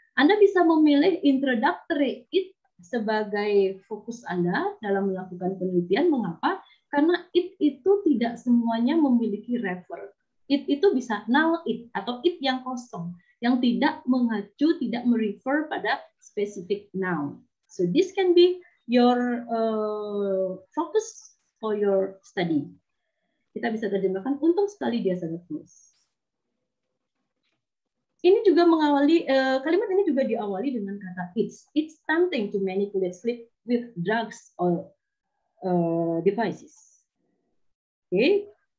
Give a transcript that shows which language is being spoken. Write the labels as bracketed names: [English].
[Indonesian] Anda bisa memilih introductory it sebagai fokus Anda dalam melakukan penelitian. Mengapa? Karena it itu tidak semuanya memiliki refer. It itu bisa null it atau it yang kosong, yang tidak mengacu, tidak merefer pada specific noun. [English] So this can be your focus for your study. [Indonesian] Kita bisa terjemahkan untung sekali dia sangat kurus. Ini juga mengawali kalimat ini juga diawali dengan kata [English] it's tempting to manipulate sleep with drugs or devices. Okay.